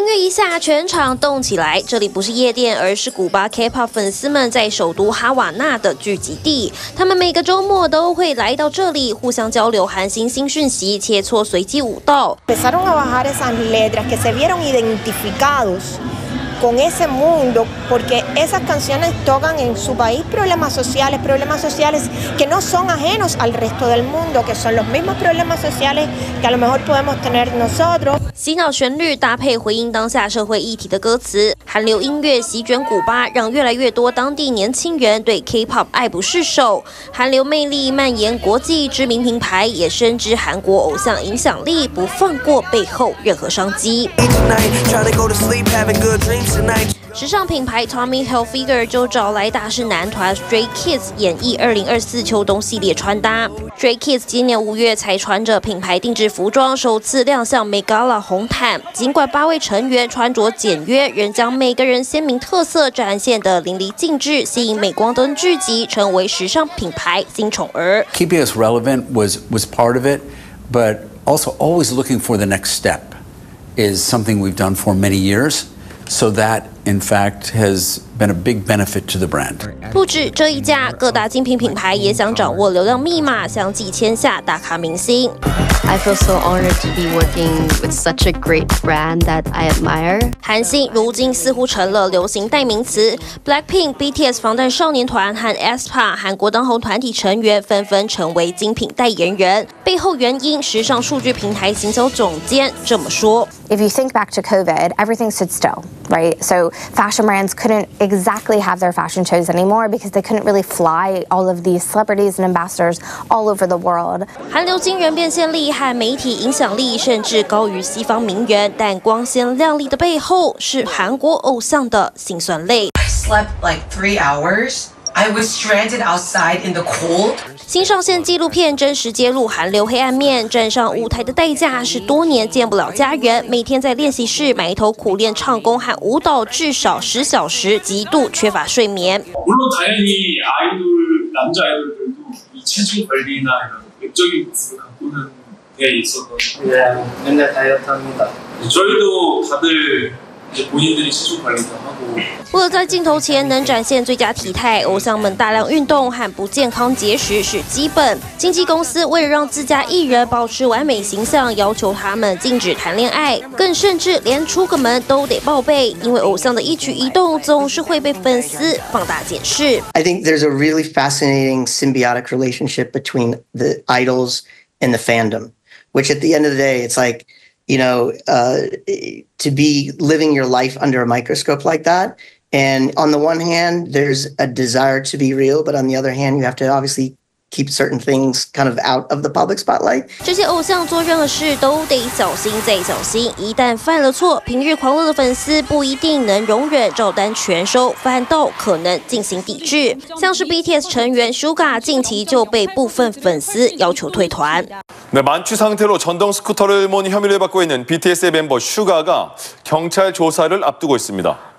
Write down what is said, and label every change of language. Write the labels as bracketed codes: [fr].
[zh] 下全场动起来，这里不是夜店，而是古巴 K-pop 粉丝们在首都哈瓦那的聚集地。他们每个周末都会来到这里，互相交流韩星新讯息，切磋随机舞蹈。 [es] empezaron a bajar esas letras que se vieron identificados con ese mundo, porque esas canciones tocan en su país problemas sociales que no son ajenos al resto del mundo, que son los mismos problemas sociales que a lo mejor podemos tener nosotros. [zh] 洗脑旋律搭配回应当下社会议题的歌词，韩流音乐席卷古巴，让越来越多当地年轻人对 K-pop 爱不释手。韩流魅力蔓延国际，知名品牌也深知韩国偶像影响力，不放过背后任何商机。时尚品牌 Tommy Hilfiger 就找来大势男团 Stray Kids 演绎2024秋冬系列穿搭。 Stray Kids 今年5月才穿着品牌定制服装首次亮相 Met Gala 红毯，尽管八位成员穿着简约，仍将每个人鲜明特色展现得淋漓尽致，吸引镁光灯聚集，成为时尚品牌新宠儿。 [en] Keeping us relevant was part of it, but also always looking for the next step is something we've done for many years. So that, in fact, has been a big benefit to the brand. [zh] 不止这一家，各大精品品牌也想掌握流量密码，相继签下大咖明星。 [en] I feel so honored to be working with such a great brand that I admire. [zh] 韩星如今似乎成了流行代名词。Blackpink、BTS 防弹少年团和 aespa 韩国当红团体成员纷纷成为精品代言人。背后原因，时尚数据平台行销总监这么说。 [en] If you think back to COVID, everything stood still, right? So fashion brands couldn't exactly have their fashion shows anymore because they couldn't really fly all of these celebrities and ambassadors all over the world. [zh] 韩流惊人变现力和媒体影响力甚至高于西方名媛，但光鲜亮丽的背后是韩国偶像的辛酸泪。 [en] I slept like 3 hours. I was stranded outside in the cold. [zh] 新上线纪录片真实揭露韩流黑暗面，站上舞台的代价是多年见不了家人，每天在练习室埋头苦练唱功和舞蹈至少十小时，极度缺乏睡眠。 [ko] 물론당연히아이돌남자아이돌들도이체중관리나이런외적인모습을갖고는게있어서 네맨날다이어트합니다 저희도다들본인들이체중관리도하고 [zh] 为了在镜头前能展现最佳体态，偶像们大量运动和不健康节食是基本。经纪公司为了让自家艺人保持完美形象，要求他们禁止谈恋爱，更甚至连出个门都得报备，因为偶像的一举一动总是会被粉丝放大检视。 [en] I think there's a really fascinating symbiotic relationship between the idols and the fandom, which at the end of the day, it's like you know, to be living your life under a microscope like that. And on the one hand, there's a desire to be real, but on the other hand, you have to obviously keep certain things kind of out of the public spotlight. [zh] 这些偶像做任何事都得小心再小心，一旦犯了错，平日狂热的粉丝不一定能容忍，照单全收，反倒可能进行抵制。像是 BTS 成员 Suga 近期就被部分粉丝要求退团。 [ko] 네만취상태로전동스쿠터를몬혐의를받고있는 BTS 의멤버 Suga 가경찰조사를앞두고있습니다。